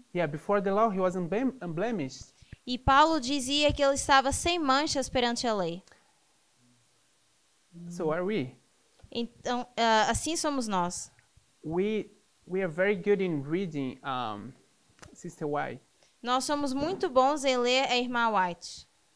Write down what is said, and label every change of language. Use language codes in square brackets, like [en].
[en] Before the law, he was unblemished. [pt] E Paulo dizia que ele estava sem manchas perante a lei. [en] So are we? [pt] Então, assim somos nós. [en] We are very good in reading Sister White. [pt] Nós somos muito bons em ler a irmã White.